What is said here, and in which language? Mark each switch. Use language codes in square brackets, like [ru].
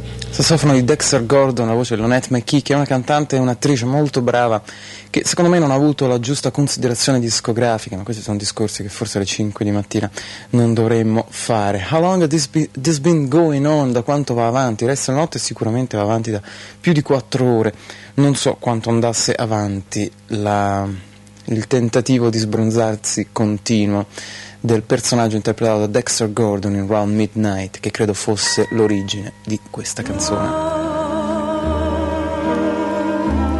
[it] Sassofono di Dexter Gordon, la voce di Lonette McKee, che è una cantante e un'attrice molto brava, che secondo me non ha avuto la giusta considerazione discografica, ma questi sono discorsi che forse alle 5 di mattina non dovremmo fare. [en] How long has this been going on? [it] Da quanto va avanti? Resta la notte sicuramente va avanti da più di 4 ore, non so quanto andasse avanti il tentativo di sbronzarsi continuo del personaggio interpretato da Dexter Gordon in Round Midnight, che credo fosse l'origine di questa canzone.